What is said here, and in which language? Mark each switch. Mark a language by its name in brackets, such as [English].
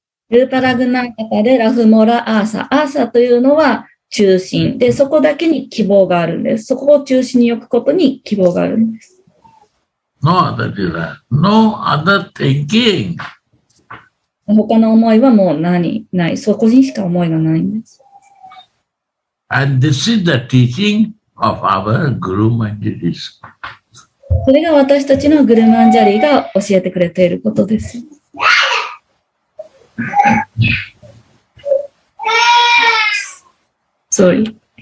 [Japanese] ルーパラグナータでラフモラアーサ。アーサというのは中心。で、そこだけに希望があるんです。そこを中心に置くことに希望があるんです。 [English] No other desire. No other thinking. [Japanese] 他の思いはもう何ない。そこにしか思いがないんです。 [English] And this is the teaching of our Guru Manjari's. [Japanese] それが私たちのグルマンジャリーが教えてくれていることです。 [English] Sorry.